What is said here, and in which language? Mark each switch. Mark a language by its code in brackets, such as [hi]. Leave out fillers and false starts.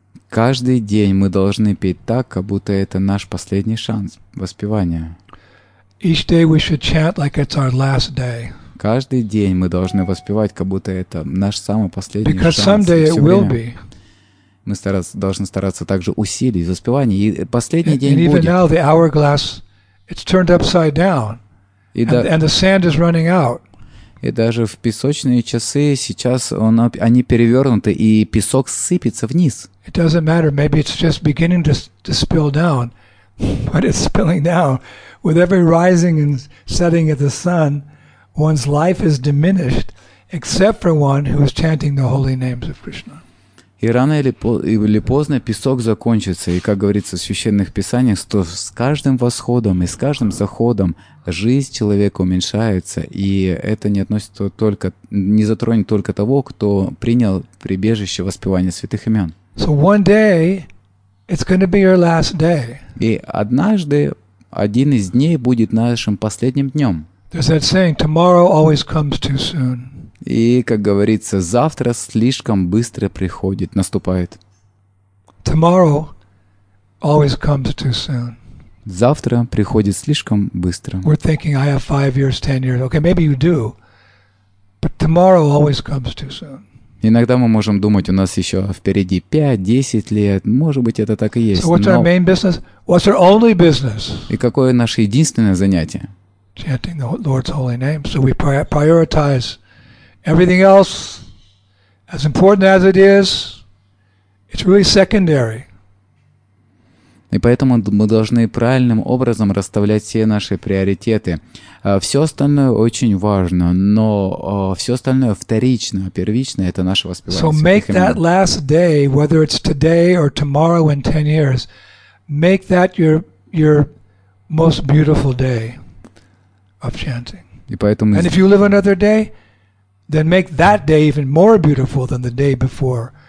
[ru] Каждый день мы должны петь так, как будто это наш последний шанс воспевания. [en] Each day we should chant like it's our last day. [ru] Каждый день мы должны воспевать, как будто это наш самый последний [en] Because [ru] шанс. [en] Because someday it will be. [ru] Мы должны стараться также усилить воспевание, и последний день будет. [en] And even now the hourglass, it's turned upside down, and the sand is running out. [ru] И даже в песочные часы сейчас они перевернуты, и песок сыпется вниз. [en] It doesn't matter. Maybe it's just beginning to spill down. But it's spilling now. With every rising and setting of the sun, one's life is diminished, except for one who is chanting the holy names of Krishna. [ru] И рано или поздно песок закончится, и, как говорится в священных писаниях, что с каждым восходом и с каждым заходом жизнь человека уменьшается, и это не затронет только того, кто принял прибежище воспевания святых имен. [en] So one day, it's going to be your last day. [ru] И однажды один из дней будет нашим последним днем. [en] There's that saying, tomorrow always comes too soon. [ru] И, как говорится, завтра слишком быстро приходит, наступает. [en] Tomorrow always comes too soon. [ru] Завтра приходит слишком быстро. [en] We're thinking, I have 5 years, 10 years. Okay, maybe you do, but tomorrow always comes too soon. [ru] Иногда мы можем думать, у нас еще впереди 5-10 лет. Может быть, это так и есть. [en] So what's our main business? What's our only business? [ru] И какое наше единственное занятие? [en] Chanting the Lord's holy name. So we prioritize everything else, as important as it is, it's really secondary. [ru] И поэтому мы должны правильным образом расставлять все наши приоритеты. Все остальное очень важно, но все остальное вторично, первично – это наше воспевание. [en] So make that last day, whether it's today or tomorrow in 10 years, make that your most beautiful day of chanting. [ru] И поэтому... [en] And if you live another day, then make that day even more beautiful than the day before.